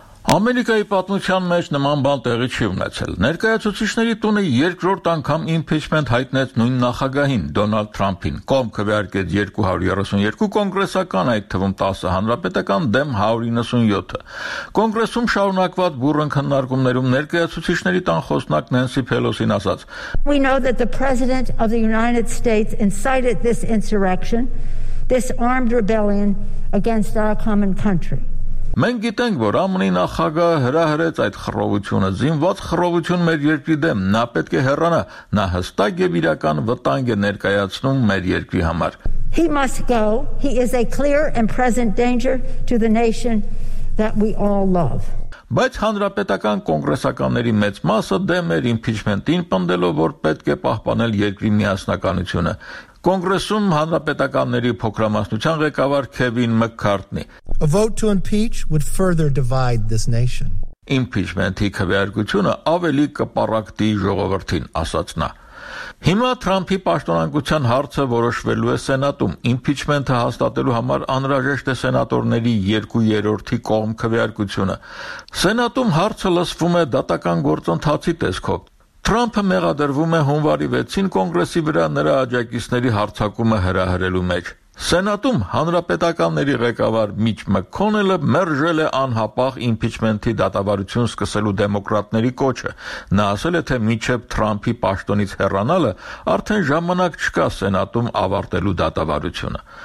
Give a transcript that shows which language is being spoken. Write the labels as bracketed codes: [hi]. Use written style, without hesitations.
[hy] Ամերիկայի պատմության մեջ նման բան տեղի չի ունեցել։ Ներկայացուցիչների տունը երկրորդ անգամ իմպիչմենտ հայտնեց նույն նախագահին՝ Դոնալդ Թրամփին։ Կոմ քվեարկեց 232 կոնգրեսական, այդ թվում 10 հանրապետական դեմ 197-ը։ Կոնգրեսում շարունակված բուռն քննարկումներում ներկայացուցիչների տան խոսնակ Նենսի Փելոսին ասաց. [en] We know that the president of the United States incited this insurrection, this armed rebellion against our common country. [hy] Մենք գիտենք, որ ԱՄՆ-ի նախագահը հրահրեց այդ խռովությունը, զինված խռովություն մեր երկրի դեմ, նա պետք է հեռանա, նա հստակ եւ իրական վտանգ է ներկայացնում մեր երկրի համար։ [en] He must go. He is a clear and present danger to the nation that we all love. [hy] Բայց հանրապետական կոնգրեսականների մեծ մասը դեմ էր իմպիչմենտին, պնդելով, որ պետք է պահպանել երկրի միասնականությունը։ Կոնգրեսում հանրապետականների փոքրամասնության ղեկավար Քևին Մեքքարթնի. [en] A vote to impeach would further divide this nation. [hy] Իմպիչմենթի քվեարկությունը ավելի կպառակտի ժողովրդին, ասաց նա. Հիմա Թրամփի պաշտոնակության հարցը որոշվելու է Սենատում։ Իմպիչմենթը հաստատելու համար անհրաժեշտ է սենատորների 2/3 կողմ քվեարկությունը։ Սենատում հարցը լսվում է դատական գործընթացի տեսքով։ Թրամփը մեղադրվում է հունվարի 6-ին կոնգրեսի վրա նրա աջակիցների հարցակումը հրահրելու մեջ։ Սենատում հանրապետականների ղեկավար Միչ Մեքքոնելը մերժել է անհապաղ իմպիչմենթի դատավարություն սկսելու դեմոկրատների կոչը։ Նա ասել է, թե մինչև Թրամփի պաշտոնից հեռանալը արդեն ժամանակ չկա Սենատում ավարտելու դատավարությունը։